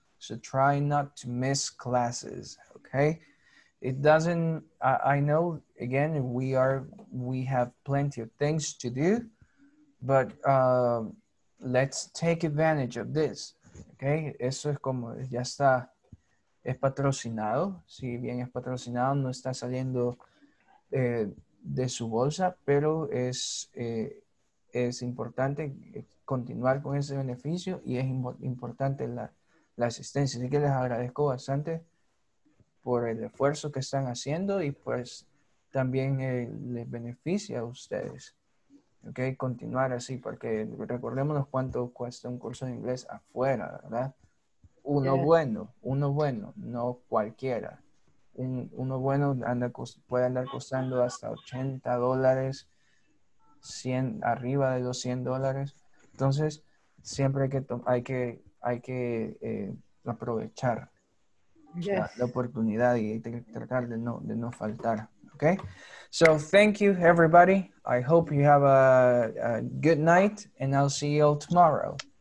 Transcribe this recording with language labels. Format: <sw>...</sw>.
<en>So try not to miss classes, okay? It doesn't, I know, again, we have plenty of things to do, but let's take advantage of this, okay?</en> <es>Eso es como, ya está. Es patrocinado, si bien es patrocinado, no está saliendo de su bolsa, pero es importante continuar con ese beneficio y es importante la asistencia. Así que les agradezco bastante por el esfuerzo que están haciendo y pues también les beneficia a ustedes, okay, continuar así, porque recordémonos cuánto cuesta un curso de inglés afuera, ¿verdad? Uno bueno, no cualquiera. Uno bueno puede andar costando hasta $80, 100, arriba de $200. Entonces, siempre hay que aprovechar la oportunidad y tratar de no faltar.</es> <en>Okay? So, thank you, everybody. I hope you have a good night, and I'll see you all tomorrow.</en>